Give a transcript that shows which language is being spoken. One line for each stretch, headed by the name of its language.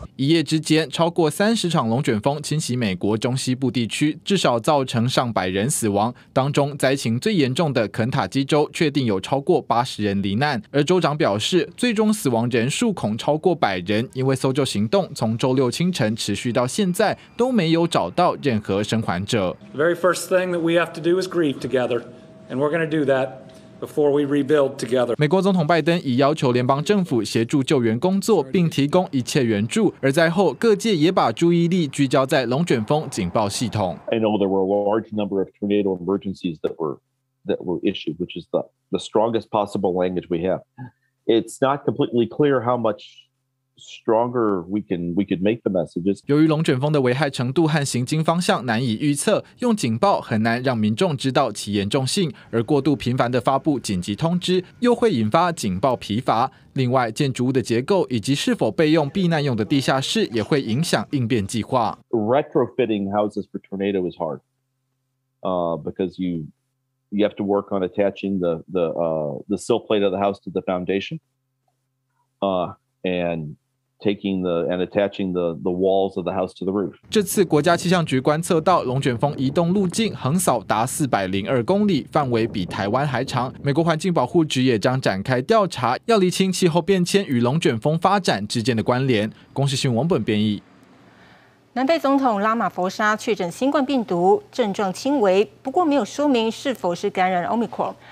Chinese: 一夜之间，超过30场龙卷风侵袭美国中西部地区，至少造成上百人死亡。当中灾情最严重的肯塔基州，确定有超过80人罹难。而州长表示，最终死亡人数恐超过100人，因为搜救行动从周六清晨持续到现在，都没有找到任何生还者。
English: The very first thing that we have to do is grieve together, and we're going to do that. Before we rebuild together.
Chinese: 美国总统拜登已要求联邦政府协助救援工作，并提供一切援助。而在后，各界也把注意力聚焦在龙卷风警报系统。
English: I know there were a large number of tornado emergencies that were issued, which is the strongest possible language we have. It's not completely clear how much. Stronger, we could make the messages.
Chinese: 由于龙卷风的危害程度和行进方向难以预测，用警报很难让民众知道其严重性，而过度频繁的发布紧急通知又会引发警报疲乏。另外，建筑物的结构以及是否备用避难用的地下室也会影响应变计划。
English: Retrofitting houses for tornado is hard, because you have to work on attaching the sill plate of the house to the foundation. And taking the and attaching the walls of the house to the roof.
Chinese: 这次国家气象局观测到龙卷风移动路径横扫达402公里，范围比台湾还长。美国环境保护局也将展开调查，要厘清气候变迁与龙卷风发展之间的关联。公视新闻王本编译。南非总统拉马佛沙确诊新冠病毒，症状轻微，不过没有说明是否是感染 Omicron。